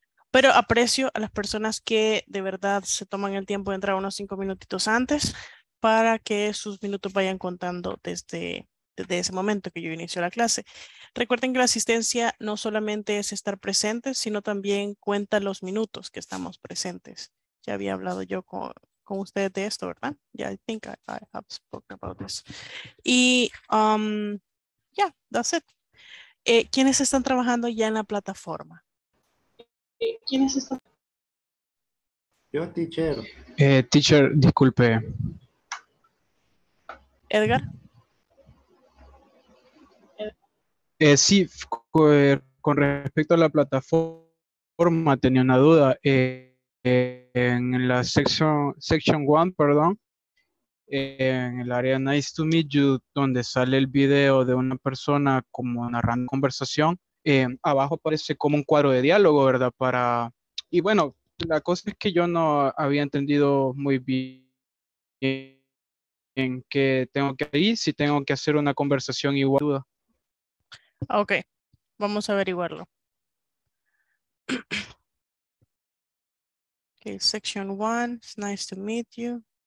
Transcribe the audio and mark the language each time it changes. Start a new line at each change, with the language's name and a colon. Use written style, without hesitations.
Spanish: Pero aprecio a las personas que de verdad se toman el tiempo de entrar unos 5 minutitos antes para que sus minutos vayan contando desde ese momento que yo inicio la clase. Recuerden que la asistencia no solamente es estar presente, sino también cuenta los minutos que estamos presentes. Ya había hablado yo con ustedes de esto, ¿verdad?
English: Yeah, I think I have spoken about this.
Spanish: Y,
English: yeah, that's it.
Spanish: ¿Quiénes están trabajando ya en la plataforma? ¿Quiénes están? Yo, teacher. Teacher, disculpe. Edgar. Sí, con respecto a la plataforma, tenía una duda. En la section one, perdón, en el área Nice to Meet You, donde sale el video de una persona como narrando conversación, abajo aparece como un cuadro de diálogo, ¿verdad? Para, y bueno, la cosa es que yo no había entendido muy bien en qué tengo que ir, si tengo que hacer una conversación igual. Duda. Ok, vamos a averiguarlo.
English: Ok, section one, it's nice to meet you.